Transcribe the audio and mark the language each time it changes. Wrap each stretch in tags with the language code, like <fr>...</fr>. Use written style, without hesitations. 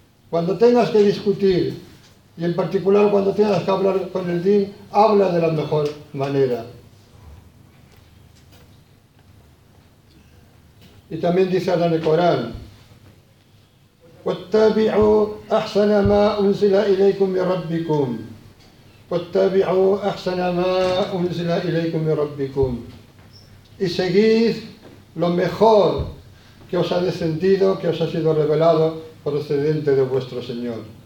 <es>Cuando tengas que discutir, y en particular cuando tengas que hablar con el din, habla de la mejor manera. Y también dice Allah en el Corán,</es> <ar>واتبعوا أحسن ما أنزل إليكم من ربكم. واتبعوا أحسن ما أنزل إليكم من ربكم.</ar> <es>Y seguid lo mejor que os ha descendido, que os ha sido revelado procedente de vuestro Señor.</es>